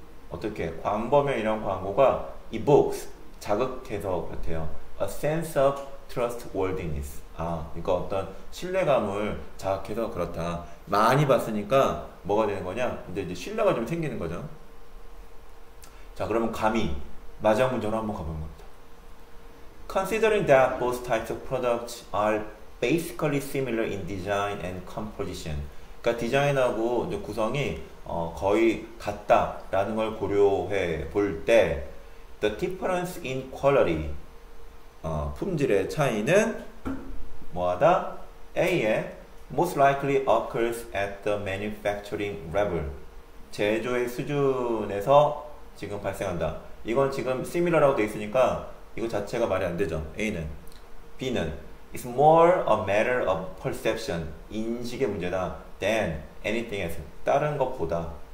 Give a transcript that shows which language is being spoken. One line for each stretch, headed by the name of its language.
Korean: 어떻게 광범위한 광고가 이 books 자극해서 그렇대요.
English: A sense of trustworthiness.
Korean: 아, 이거 그러니까 어떤 신뢰감을 자극해서 그렇다. 많이 봤으니까 뭐가 되는 거냐? 근데 이제 신뢰가 좀 생기는 거죠. 자, 그러면 감히 마지막 문제로 한번 가보는 겁니다.
English: Considering that both types of products are basically similar in design and composition.
Korean: 그러니까 디자인하고 이제 구성이 거의 같다라는 걸 고려해 볼 때,
English: the difference in quality,
Korean: 품질의 차이는 뭐하다?
English: A에 most likely occurs at the manufacturing level.
Korean: 제조의 수준에서 지금 발생한다. 이건 지금 similar라고 되어 있으니까 이거 자체가 말이 안 되죠. A는.
English: B는 it's more a matter of perception,
Korean: 인식의 문제다
English: than anything else.
Korean: 다른 것보다.